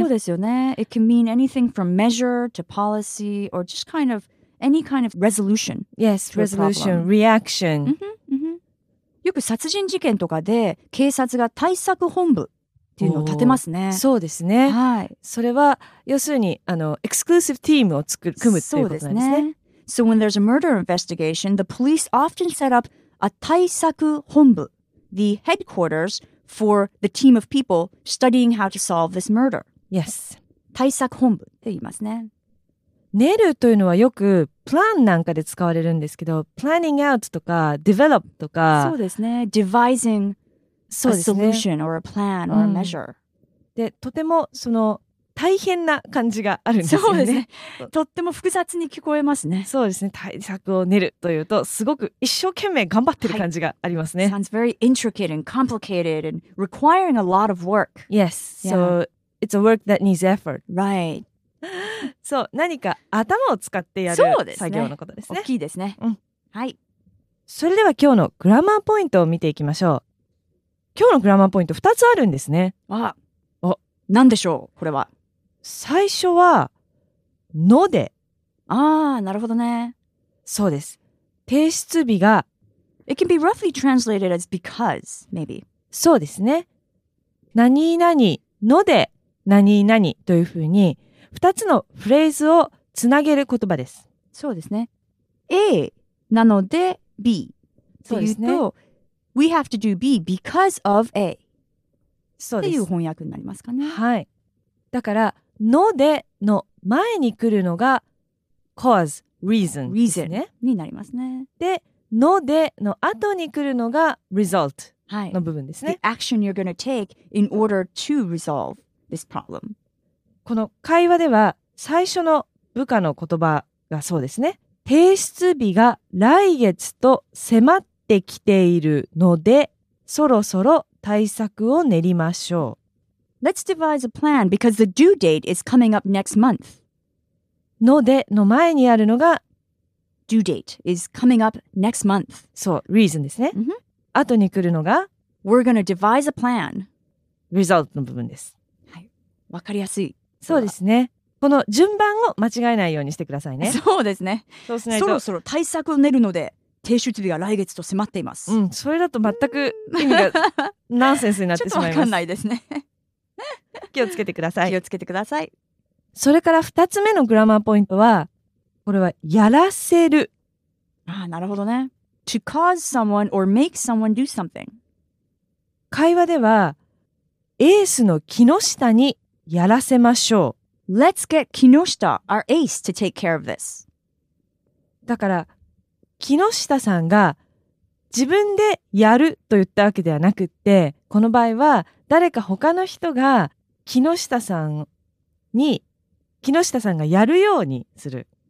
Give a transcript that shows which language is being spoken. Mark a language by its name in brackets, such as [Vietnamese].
[Japanese] そうですよね。 [English] It can mean anything from measure to policy or just kind of... Any kind of resolution. Yes, resolution, reaction. [Japanese] よく殺人事件とかで警察が対策本部っていうのを立てますね。そうですね。はい。それは要するにエクスクルーシブチームを組むっていうことなんですね。そうですね。 [English] So when there's a murder investigation, the police often set up a 対策本部, the headquarters for the team of people studying how to solve this murder. Yes. [Japanese] 対策本部って言いますね。練るというのはよくプランなんかで使われるんですけど、 [English] planning out [Japanese] とか develop とか、そうですね、 [English] devising a solution or a plan or a measure、う [Japanese] ん、でとてもその大変な感じがあるんですよね。そうですね。とっても複雑に聞こえますね。そうですね。対策を練るというとすごく一生懸命頑張ってる感じがありますね。 [English] はい、sounds very intricate and complicated and requiring a lot of work. Yes. So、yeah. it's a work that needs effort. Right. [Japanese] そう、何か頭を使ってやる作業のことですね。そうですね。大きいですね。うん。はい。それでは今日のグラマーポイントを見ていきましょう。今日のグラマーポイント2つあるんですね。あ、何でしょう、これは。最初は、ので。ああ、なるほどね。そうです。提出日が。 [English] It can be roughly translated as because, maybe. [Japanese] そうですね。何々、ので、何々というふうに、2つのフレーズをつなげる言葉です。そうですね。A なので B そうですね。というと、 [English] We have to do B because of A. [Japanese] そうです。っていう翻訳になりますかね。はい。だから、のでの前に来るのが [English] cause, reason, [Japanese] reason ですね。になりますね。で、のでの後に来るのが result の部分ですね。 [English] はい、the action you're gonna take in order to resolve this problem. [Japanese] この会話では最初の部下の言葉がそうですね。提出日が来月と迫ってきているので、そろそろ対策を練りましょう。 [English] Let's devise a plan because the due date is coming up next month. [Japanese] のでの前にあるのが [English] due date is coming up next month. [Japanese] そう、reason ですね。 Mm-hmm. 後に来るのが [English] we're gonna devise a plan. [Japanese] result の部分です。はい、わかりやすい。そうですね。この順番を間違えないようにしてくださいね。そうですね。そうしないと。そろそろ対策を練るので提出日が来月と迫っています。うん、それだと全く意味がナンセンスになってしまいます。ちょっとわかんないですね。気をつけてください。気をつけてください。それから2つ目のグラマーポイントは、これはやらせる。ああ、なるほどね。 [English] To cause someone or make someone do something. [Japanese] 会話では、エースの木下にやらせましょう。 [English] Let's get Kinoshita, our ace, to take care of this. [Japanese] だから、Kinoshita さんが自分でやると言ったわけではなくって、この場合は誰か他の人が Kinoshita さんに、Kinoshita さんがやるようにする。